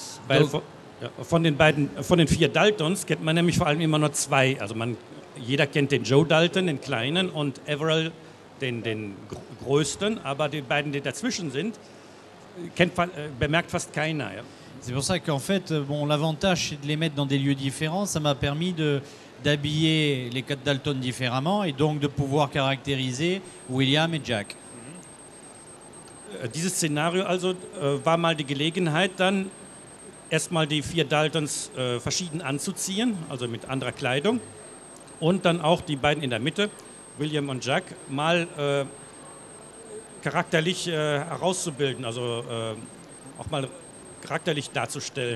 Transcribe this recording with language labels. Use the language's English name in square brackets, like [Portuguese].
[German] Ja, von den vier Daltons kennt man nämlich vor allem immer nur zwei. Also jeder kennt den Joe Dalton, den Kleinen, und Averell, den Größten. Aber die beiden, die dazwischen sind, bemerkt fast keiner. Ja. [French] C'est pour ça qu'en fait, bon, l'avantage, c'est de les mettre dans des lieux différents. Ça m'a permis d'habiller les quatre Dalton différemment et donc de pouvoir caractériser William et Jack. [German] Dieses Szenario also war mal die Gelegenheit, dann erstmal die vier Daltons verschieden anzuziehen, also mit anderer Kleidung, und dann auch die beiden in der Mitte, William und Jack, mal charakterlich herauszubilden, also auch mal charakterlich darzustellen.